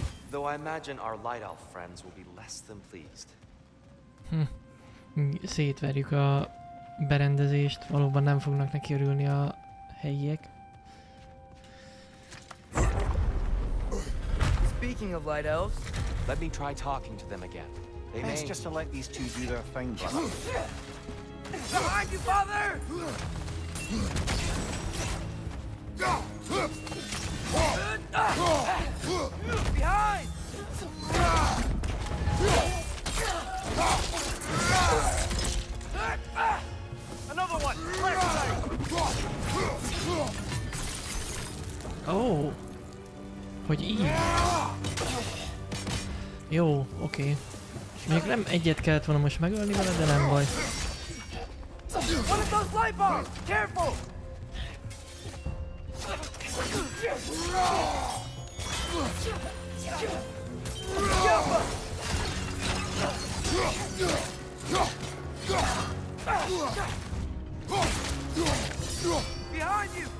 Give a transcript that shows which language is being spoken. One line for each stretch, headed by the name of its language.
English: Though I imagine our light elf friends will be less than pleased.
Hungarian: Szétverjük a berendezést, valóban nem fognak neki örülni a helyiek.
English: Speaking of light elves, let me try talking to them again. They may. It's just to let these two do their thing, brother. Behind you, father! Behind! Another one!
Hungarian: Oh! Hogy így? Jó, oké. Még nem egyet kellett volna most megölni vele, de nem baj.
English: One of those light bombs! Careful! Behind you!